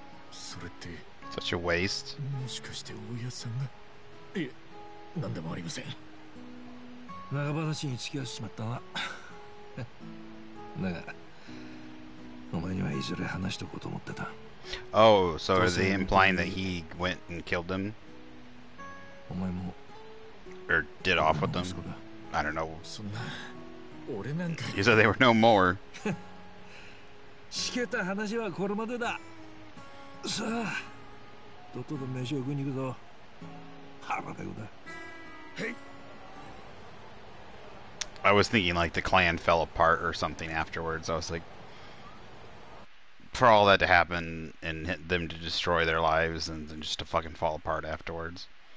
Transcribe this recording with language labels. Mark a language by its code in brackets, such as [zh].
[ja] それって [en] Such a waste. [ja] もしかして大家さんが。いえ、何でもありません。長話に付き合わせしまったな。だが、お前にはいずれ話しとこうと思ってた。 [en] Oh, so is he implying that he went and killed them? [ja] お前も。 [en] Or did off with them? I don't know. [ja] そんな、俺なんか。 [en] You said they were no more. [ja] しけた話はこれまでだ。さあ、とっとと飯を食いに行くぞ。腹ペコだ。へい。 [en] I was thinking like the clan fell apart or something afterwards. I was like, for all that to happen and hit them to destroy their lives and then just to fucking fall apart afterwards.